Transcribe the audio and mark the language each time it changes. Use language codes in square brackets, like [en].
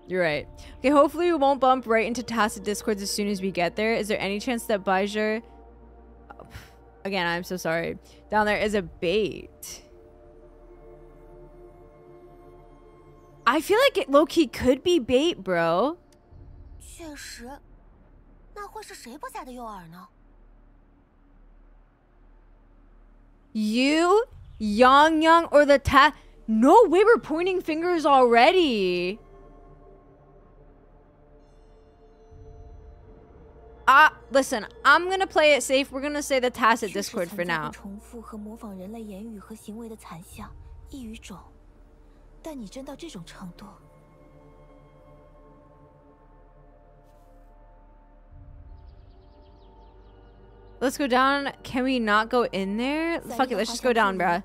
[en] Okay, hopefully we won't bump right into tacit discords as soon as we get there. Is there any chance that Baijer... Oh, again, I'm so sorry. Down there is a bait. I feel like it low-key could be bait, bro. [zh] 确实。那会是谁不在的诱饵呢？ [en] You, Yangyang, or the ta- No way, we're pointing fingers already. Listen, I'm gonna play it safe. We're gonna say the tacit Discord for now. [zh] 重复和模仿人类言语和行为的残像，异语种。但你真到这种程度？ [en] Let's go down. Can we not go in there? Fuck it, let's just go down, bruh.